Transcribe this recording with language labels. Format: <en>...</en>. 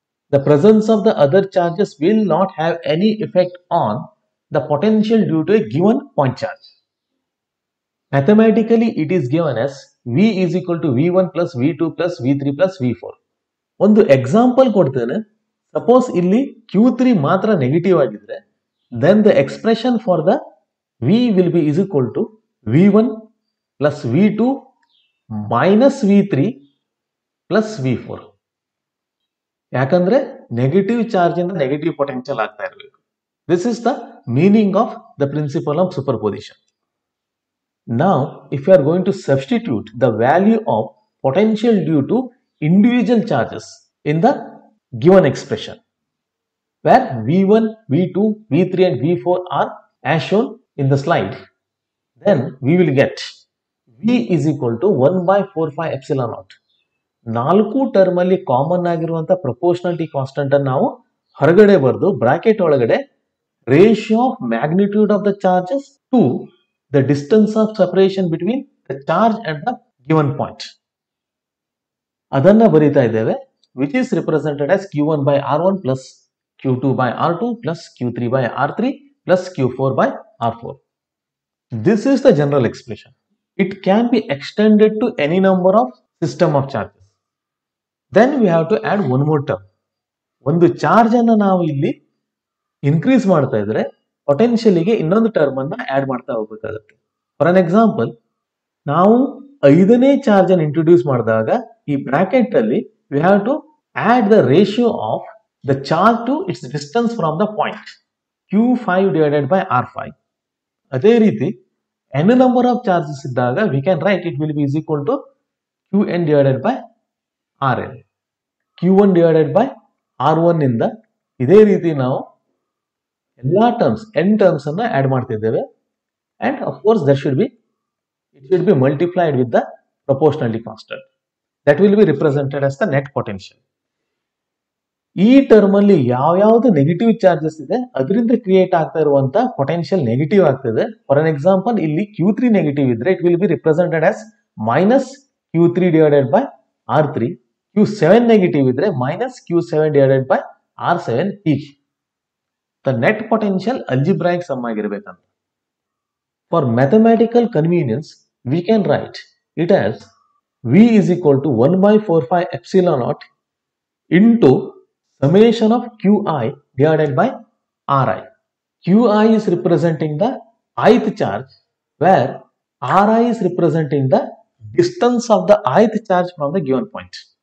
<en>The presence of the other charges will not have any effect on the potential due to a given point charge. Mathematically, it is given as V is equal to V1 plus V2 plus V3 plus V4.</en> <kn>ಒಂದು example ಕೊಡ್ತೇನೆ.</kn> <en>suppose</en> <kn>ಇಲ್ಲಿ Q3 ಮಾತ್ರ negative ಆಗಿದ್ರೆ,</kn> <en>Then the expression for the V will be is equal to V1 plus V2 minus V3 plus V4.</en> <kn>ಯಾಕಂದ್ರೆ negative charge ಇಂದ negative potential ಆಗ್ತಾ ಇರಬೇಕು.</kn> <en>This is the meaning of the principle of superposition. Now, if you are going to substitute the value of potential due to individual charges in the given expression, where V1, V2, V3 and V4 are as shown in the slide, then we will get V is equal to 1 by 4 pi epsilon naught.</en> <kn>Nalku term alli common agiruvanta</kn> <en>proportionality constant</en> <kn>annu navu horagade bardu bracket olagade</kn> <en>ratio of magnitude of the charges to the distance of separation between the charge at the given point.</en> <kn>Adanna barita ideve,</kn> <en>which is represented as Q1 by R1 plus Q2 by R2 plus Q3 by R3 plus Q4 by R4. This is the general expression. It can be extended to any number of system of charges. Then we have to add one more term.</en> <kn>Ondu charge anna naavu illi increase maadta idre, ಪೊಟೆನ್ಶಿಯಲ್ಗೆ ಇನ್ನೊಂದು term ಅನ್ನ add ಮಾಡ್ತಾ ಹೋಗ್ಬೇಕಾಗುತ್ತೆ.</kn> <en>for an example,</en> <kn>ನಾವು ಐದನೇ charge ಅನ್ನು introduce ಮಾಡಿದಾಗ ಈ bracket ಅಲ್ಲಿ</kn> <en>We have to add the ratio of the charge to its distance from the point Q5 divided by R5.</en> <kn>ಅದೇ ರೀತಿ</kn> <en>N number of charges ಇದ್ದಾಗ we can write it will be is equal to Qn divided by Rn.</en> <kn>Q1 divided by R1 ಇಂದ ಇದೇ ರೀತಿ ನಾವು ಎಲ್ಲಾ terms N terms ಅನ್ನ add ಮಾಡ್ತಿದ್ದೇವೆ.</kn> <en>And of course there should be it should be multiplied with the proportionally constant. That will be represented as the net potential.</en> <kn>ಈ term ಅಲ್ಲಿ ಯಾವ್ಯಾವ್ದು ನೆಗೆಟಿವ್ ಚಾರ್ಜಸ್ ಇದೆ ಅದರಿಂದ ಕ್ರಿಯೇಟ್ ಆಗ್ತಾ ಇರುವಂತಹ ಪೊಟೆನ್ಶಿಯಲ್ ನೆಗೆಟಿವ್ ಆಗ್ತದೆ.</kn> <en>for an example,</en> <kn>ಇಲ್ಲಿ Q3 ನೆಗೆಟಿವ್ ಇದ್ರೆ</kn> <en>It will be represented as minus Q3 divided by R3. Q7 negative ಇದ್ರೆ minus Q7 divided by R7 ಹೀಗೆ. The net potential algebraic sum</en> <kn>aagirbekanta.</kn> <en>For mathematical convenience, we can write it as V is equal to 1 by 4 pi epsilon naught into summation of Qi divided by Ri. Qi is representing the ith charge, where Ri is representing the distance of the ith charge from the given point.</en>